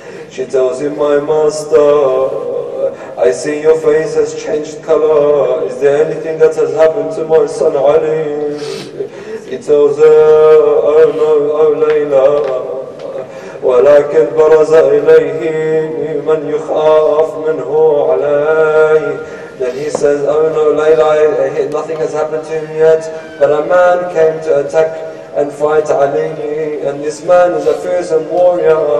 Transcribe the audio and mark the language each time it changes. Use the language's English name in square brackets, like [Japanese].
[English] She tells him, my master, I see your face has changed color. Is there anything that has happened to my son Ali? He tells her, oh no, oh Layla. [Arabic] ولكن برز إليه من يخاف منه علي. [English] Then he says, oh no, Layla, nothing has happened to him yet, but a man came to attack and fight Ali, and this man is a fearsome warrior.